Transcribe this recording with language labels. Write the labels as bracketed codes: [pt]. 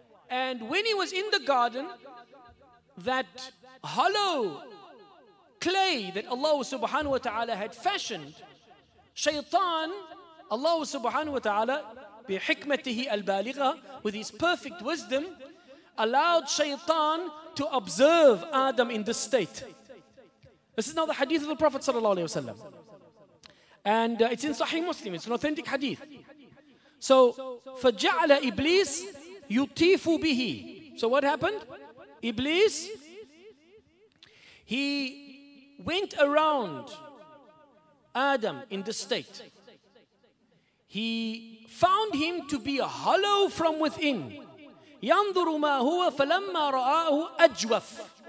[en] And when he was in the garden, that hollow clay that Allah subhanahu wa ta'ala had fashioned, shaytan, Allah subhanahu wa ta'ala, bi hikmatihi al-baligha, with his perfect wisdom, allowed shaytan to observe Adam in this state. This is now the hadith of the Prophet sallallahu alayhi wa sallam. And it's in Sahih Muslim, it's an authentic hadith. So, [ar] فَجَعْلَ Iblis يُطِيفُ بِهِ. [en] So what happened? Iblis, he went around Adam in this state. He found him to be a hollow from within. [ar] يَنْظُرُ مَا هُوَ فَلَمَّا رَآهُ أَجْوَفُ.